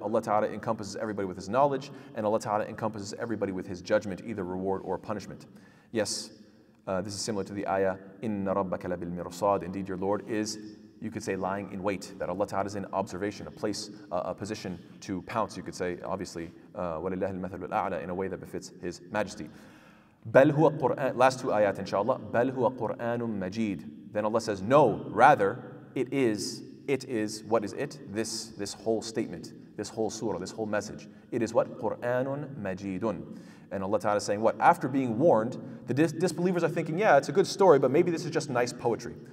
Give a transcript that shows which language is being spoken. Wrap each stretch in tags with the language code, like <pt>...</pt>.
<en>Allah Ta'ala encompasses everybody with His knowledge, and Allah Ta'ala encompasses everybody with His judgment, either reward or punishment. Yes, this is similar to the ayah,</en> <ar>إِنَّ رَبَّكَ لَبِ الْمِرْصَادِ.</ar> <en>Indeed, your Lord is, you could say, lying in wait, that Allah Ta'ala is in observation, a place, a position to pounce, you could say, obviously,</en> <ar>وَلِلَّهِ الْمَثَلُ الْأَعْلَى,</ar> <en>in a way that befits His majesty.</en> <ar>بَلْ هُوَ قُرْآنٌ,</ar> <en>last two ayat, inshallah,</en> <ar>بَلْ هُوَ قُرْآنٌ مَجِيدٌ.</ar> <en>Then Allah says, no, rather, it is, what is it? This whole statement, this whole surah, this whole message. It is what? Qur'anun majidun. And Allah Ta'ala is saying what? After being warned, the disbelievers are thinking, yeah, it's a good story, but maybe this is just nice poetry.</en>